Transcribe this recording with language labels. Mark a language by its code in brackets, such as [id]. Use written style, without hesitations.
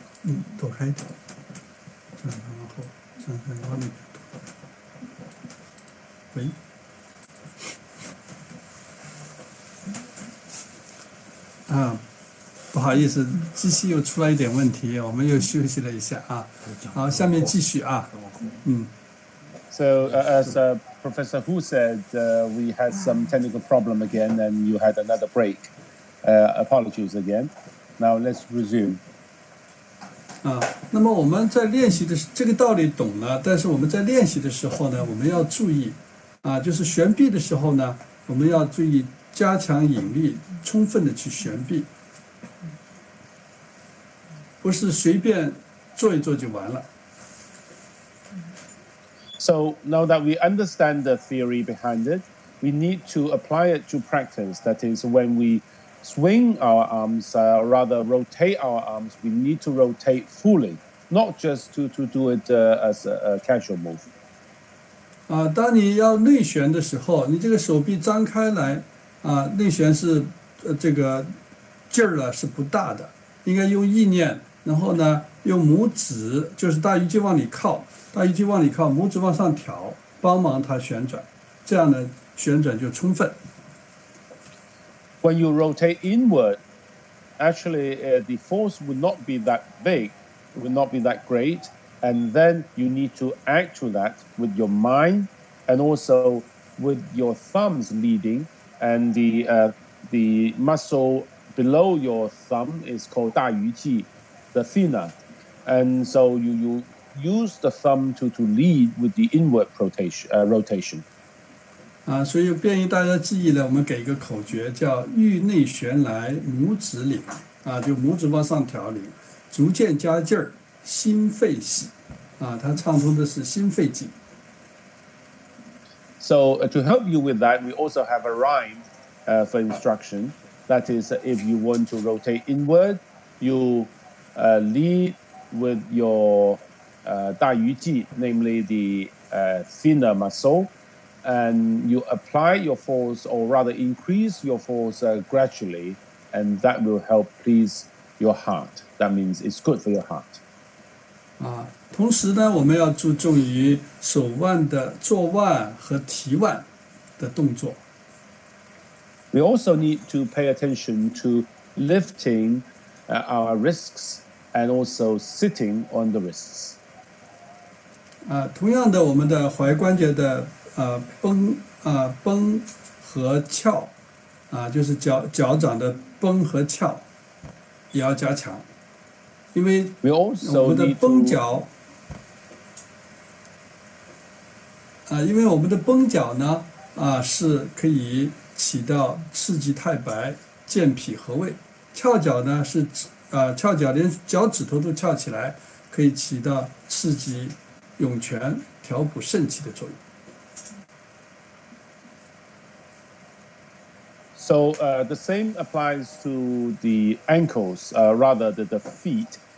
[zh] 嗯，躲开一点，站在往后，站在外面。喂。啊。不好意思，机器又出了一点问题，我们又休息了一下啊。好，下面继续啊。嗯。 [en] So, as Professor Hu said, we had some technical problem again, and you had another break. Apologies again. Now let's resume. [zh] 啊，那么我们在练习的这个道理懂了，但是我们在练习的时候呢，我们要注意啊，就是旋臂的时候呢，我们要注意加强引力，充分的去旋臂。不是随便做一做就完了。 [en] So now that we understand the theory behind it, we need to apply it to practice. That is, when we swing our arms, rather rotate our arms, we need to rotate fully, not just to do it as a casual move. [zh] 啊，当你要内旋的时候，你这个手臂张开来，啊，内旋是这个劲儿呢是不大的，应该用意念。然后呢，用拇指就是大鱼际往里靠，大鱼际往里靠，拇指往上挑，帮忙它旋转，这样呢旋转就充分。 [en] When you rotate inward, actually, the force would not be that big, would not be that great, and then you need to act to that with your mind, and also with your thumbs leading, and the muscle below your thumb is called 大鱼际, the thinner, and so you use the thumb to lead with the inward rotation. [zh] 啊，所以便于大家记忆呢，我们给一个口诀，叫“域内旋来，拇指领”，啊，就拇指往上挑领，逐渐加劲儿，心肺喜，啊，它畅通的是心肺经。 [en] So to help you with that, we also have a rhyme, for instruction. That is, if you want to rotate inward, you, lead with your, 大鱼际, namely the, thinner muscle. And you apply your force, or rather increase your force, gradually, and that will help please your heart. That means it's good for your heart. [zh] 啊，同时呢，我们要注重于手腕的坐腕和提腕的动作。 [en] We also need to pay attention to lifting, our wrists and also sitting on the wrists. [zh] 啊，同样的，我们的踝关节的绷绷和翘啊，就是脚掌的绷和翘，也要加强，因为我们的绷脚啊，因为我们的绷脚呢啊是可以起到刺激太白、健脾和胃；翘脚呢是翘脚连脚趾头都翘起来，可以起到刺激涌泉、调补肾气的作用。 [en] So the same applies to the ankles, rather the feet.